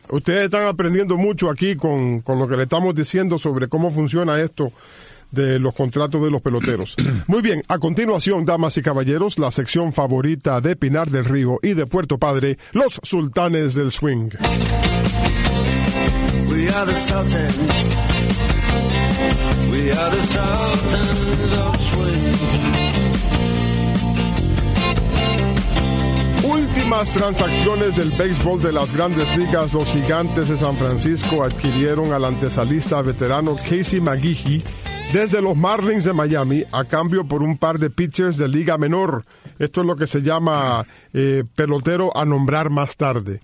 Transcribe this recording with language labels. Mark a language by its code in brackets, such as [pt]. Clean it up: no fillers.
[es] Ustedes están aprendiendo mucho aquí con lo que le estamos diciendo sobre cómo funciona esto de los contratos de los peloteros. Muy bien, a continuación, damas y caballeros, la sección favorita de Pinar del Río y de Puerto Padre, los Sultanes del Swing. [en] We are the Sultans. We are the Sultans of Swing. [es] Últimas transacciones del béisbol de las Grandes Ligas, los Gigantes de San Francisco adquirieron al antesalista veterano Casey McGeehee desde los Marlins de Miami a cambio por un par de pitchers de Liga Menor. Esto es lo que se llama pelotero a nombrar más tarde.